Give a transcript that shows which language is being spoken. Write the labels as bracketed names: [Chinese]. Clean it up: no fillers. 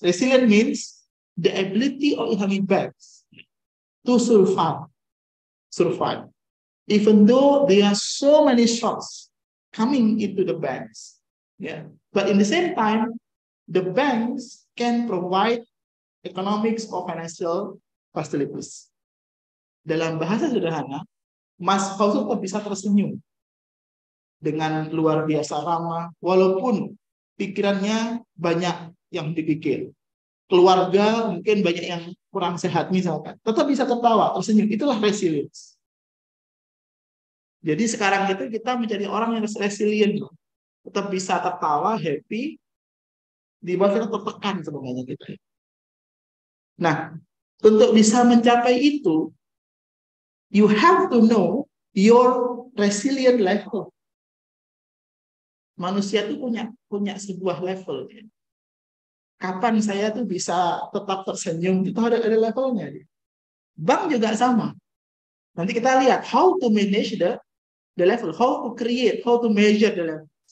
[English] Resilient means the ability of Islamic banks to survive. Even though there are so many shocks coming into the banks, but in the same time, the banks can provide economics or financial facilities. [Indonesian] Dalam bahasa sederhana, Mas Fauzul kok bisa tersenyum dengan luar biasa ramah, walaupun pikirannya banyak yang dipikir. Keluarga mungkin banyak yang kurang sehat misalkan. Tetap bisa tertawa, tersenyum. Itulah resilience. Jadi sekarang itu kita menjadi orang yang resilient. Tetap bisa tertawa, happy, di bawah kita tertekan sebenarnya kita. Nah, untuk bisa mencapai itu, [English] you have to know your resilient level. [Indonesian] Manusia itu punya punya sebuah level. Kapan saya tuh bisa tetap tersenyum, itu ada levelnya. Bank juga sama. Nanti kita lihat [English] how to manage the level, how to create, how to measure the level.